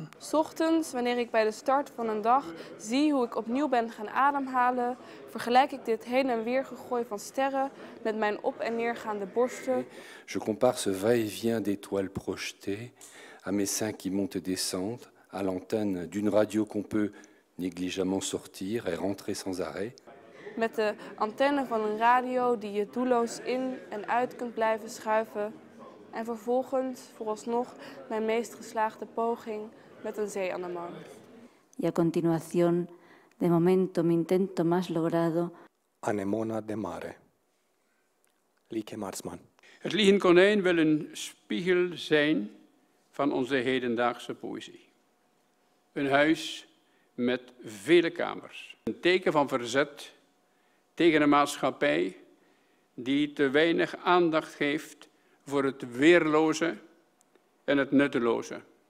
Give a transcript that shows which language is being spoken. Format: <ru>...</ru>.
<nl>Ochtends, wanneer ik bij de start van een dag zie hoe ik opnieuw ben gaan ademhalen, vergelijk ik dit heen en weer gegooi van sterren met mijn op- en neergaande borsten.</nl> <fr>Je compare ce va-et-vient d'étoiles projetées à mes seins qui montent et descendent, à l'antenne d'une radio qu'on peut négligemment sortir et rentrer sans arrêt.</fr> <nl>Met de antenne van een radio die je doelloos in en uit kunt blijven schuiven. En vervolgens, vooralsnog, mijn meest geslaagde poging met een zeeanemoon.</nl> <es>Y a continuación, de momento, mi intento más logrado.</es> <ro>Anemona de mare. Lieke Marsman.</ro> <nl>Het Liegend Konijn wil een spiegel zijn van onze hedendaagse poëzie. Een huis met vele kamers. Een teken van verzet tegen een maatschappij die te weinig aandacht geeft voor het weerloze en het nutteloze.</nl>